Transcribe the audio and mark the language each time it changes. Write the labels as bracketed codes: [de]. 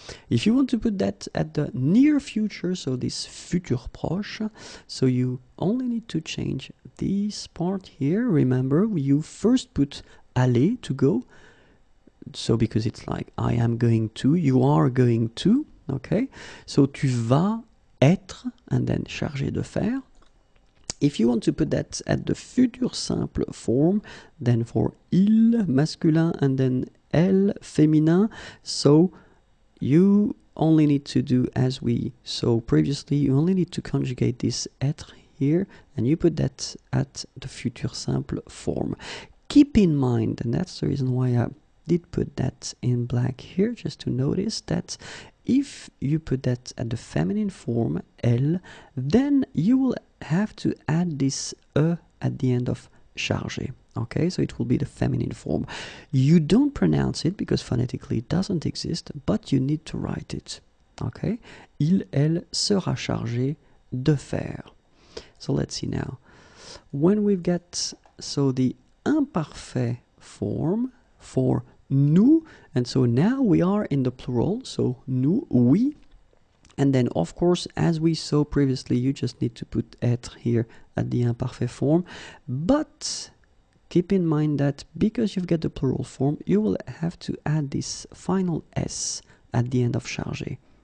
[en] If you want to put that at the near future, so this futur proche, so you only need to change this part here. Remember, you first put aller, to go. So because it's like I am going to, you are going to. [fr] Okay, so tu vas être, [en] and then [fr] chargé de faire. [en] If you want to put that at the futur simple form, then for il masculin and then elle féminin, so you only need to do as we saw previously, you only need to conjugate this être here, and you put that at the futur simple form. Keep in mind, and that's the reason why I did put that in black here, just to notice that if you put that at the feminine form, elle, then you will have to add this e at the end of chargé. Okay, so it will be the feminine form. You don't pronounce it because phonetically it doesn't exist, but you need to write it. [fr] Okay, il, elle sera chargé de faire. [en] So let's see now. When we've got so the imparfait form for nous, and so now we are in the plural, so nous, oui, and then of course as we saw previously you just need to put être here at the imparfait form, but keep in mind that because you've got the plural form you will have to add this final s at the end of chargé.